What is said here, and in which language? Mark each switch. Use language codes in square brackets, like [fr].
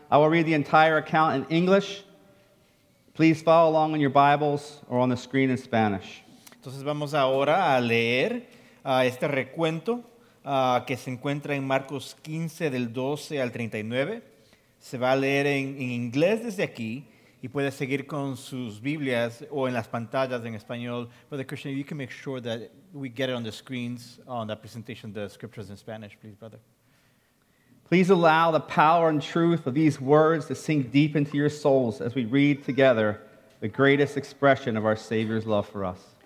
[en] I will read the entire account in English. Please follow along in your Bibles or on the screen in Spanish. [es] Entonces vamos ahora a leer este recuento que se encuentra en Marcos 15 del 12 al 39. Se va a leer en inglés desde aquí y puede seguir con sus Biblias o en las pantallas en español. [en] Brother Christian, you can make sure that we get it on the screens on the presentation, the scriptures in Spanish, please, brother. Please allow the power and truth of these words to sink deep into your souls as we read together the greatest expression of our Savior's love for us.